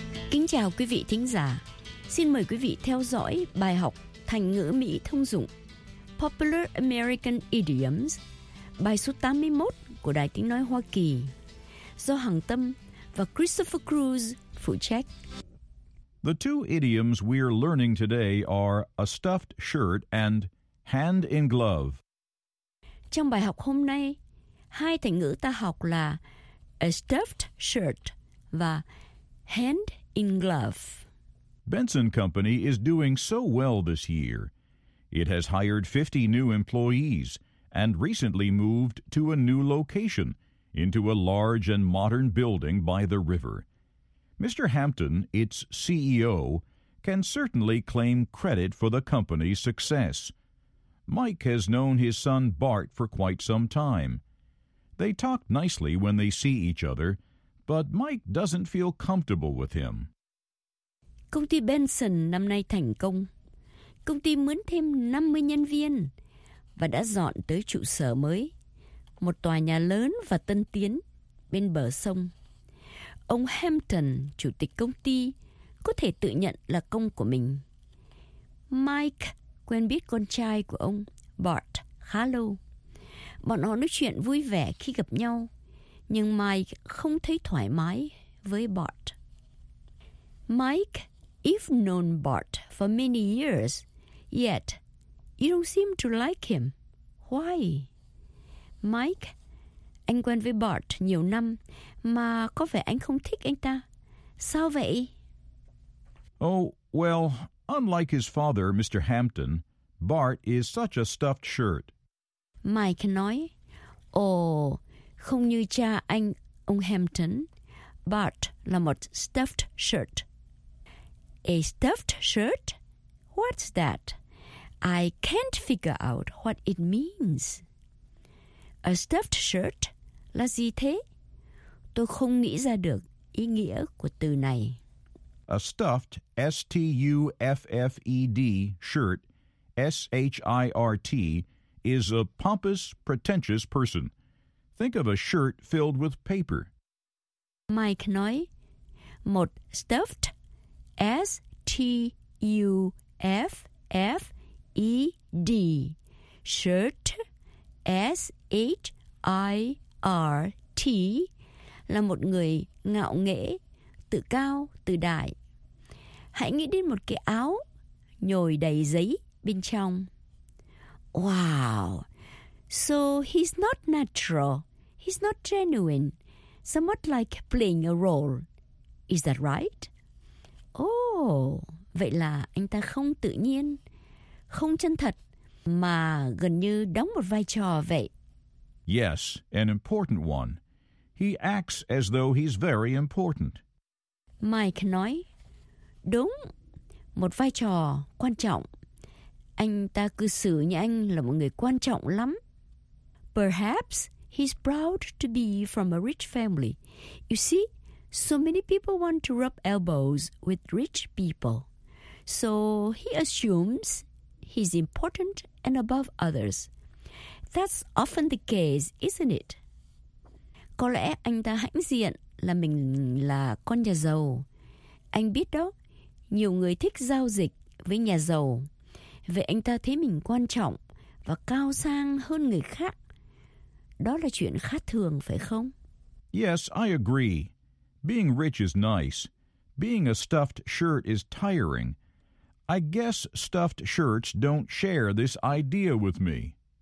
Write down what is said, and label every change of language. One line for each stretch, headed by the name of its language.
Vietnamese: Kính chào quý vị thính giả. Xin mời quý vị theo dõi bài học thành ngữ Mỹ thông dụng Popular American Idioms, bài số 81 của Đài Tiếng Nói Hoa Kỳ, do Hằng Tâm và Christopher Cruz phụ trách.
English: The two idioms we are learning today are a stuffed shirt and hand in glove.
Vietnamese: Trong bài học hôm nay, hai thành ngữ ta học là
English: a stuffed shirt
Vietnamese: và
English: hand in glove. Benson Company is doing so well this year. It has hired 50 new employees and recently moved to a new location into a large and modern building by the river. Mr. Hampton, its CEO, can certainly claim credit for the company's success. Mike has known his son Bart for quite some time. They talk nicely when they see each other, but Mike doesn't feel comfortable with him.
Vietnamese: Công ty Benson năm nay thành công. Công ty mướn thêm 50 nhân viên và đã dọn tới trụ sở mới, một tòa nhà lớn và tân tiến bên bờ sông. Ông Hampton, chủ tịch công ty, có thể tự nhận là công của mình. Mike quen biết con trai của ông, Bart, khá lâu. Bọn họ nói chuyện vui vẻ khi gặp nhau, nhưng Mike không thấy thoải mái với Bart.
English: Mike, you've known Bart for many years, yet you don't seem to like him. Why?
Vietnamese: Mike, anh quen với Bart nhiều năm, mà có vẻ anh không thích anh ta. Sao vậy?
English: Oh, well, unlike his father, Mr. Hampton, Bart is such a stuffed shirt.
Vietnamese: Mike nói, không như cha anh, ông Hampton, Bart là một stuffed shirt.
English: A stuffed shirt? What's that? I can't figure out what it means. A stuffed shirt?
Vietnamese: Là gì thế? Tôi không nghĩ ra được ý nghĩa của từ này.
English: A stuffed, S-T-U-F-F-E-D, shirt, S-H-I-R-T, is a pompous, pretentious person. Think of a shirt filled with paper.
Vietnamese: Mike nói, một stuffed, S-T-U-F-F-E-D, shirt, S-H-I-R-T, là một người ngạo nghễ, tự cao, tự đại. Hãy nghĩ đến một cái áo nhồi đầy giấy bên trong.
English: Wow! So he's not natural. He's not genuine. Somewhat like playing a role. Is that right?
Vietnamese: Oh, vậy là anh ta không tự nhiên, không chân thật, mà gần như đóng một vai trò vậy.
English: Yes, an important one. He acts as though he's very important.
Vietnamese: Mike nói, đúng, một vai trò quan trọng. Anh ta cư xử như anh là một người quan trọng lắm.
English: Perhaps he's proud to be from a rich family. You see, so many people want to rub elbows with rich people. So he assumes he's important and above others. That's often the case, isn't it?
Vietnamese: Có lẽ anh ta hãnh diện là mình là con nhà giàu. Anh biết đó, nhiều người thích giao dịch với nhà giàu. Vậy anh ta thấy mình quan trọng và cao sang hơn người khác. Đó là chuyện khá thường, phải không?
English: Yes, I agree. Being rich is nice. Being a stuffed shirt is tiring. I guess stuffed shirts don't share this idea with me.